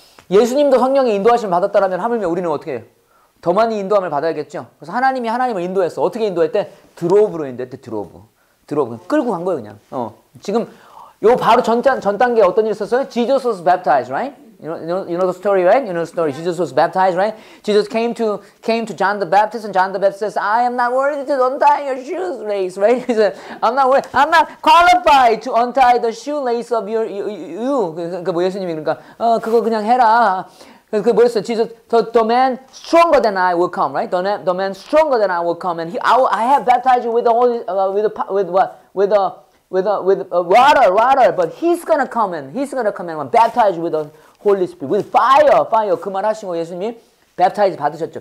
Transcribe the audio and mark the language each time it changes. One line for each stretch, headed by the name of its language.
Korean: 예수님도 성령의 인도하심을 받았다라면, 하물며 우리는 어떻게 해요? 더 많이 인도함을 받아야겠죠? 그래서 하나님이 하나님을 인도했어. 어떻게 인도했대? 드롭으로 인도했대, 드롭. 드롭. 끌고 간 거예요, 그냥. 지금, 요 바로 전 단계에 어떤 일이 있었어요?
English: Jesus was baptized, right? You know the story, right? Jesus was baptized, right? Jesus came to John the Baptist, and John the Baptist says, "I am not worthy to untie your shoelace, right?" He said, "I'm not qualified to untie the shoelace of you."
Korean: 그 뭐 예수님이 그러니까 그거 그냥 해라. 그 뭐였어?
English: Jesus, the man stronger than I will come, right? The man stronger than I will come, and I have baptized you with the Holy, with water, but he's gonna come and baptize you with the Holy Spirit with fire.
Korean: 그 말 하신 거 예수님이 baptized 받으셨죠.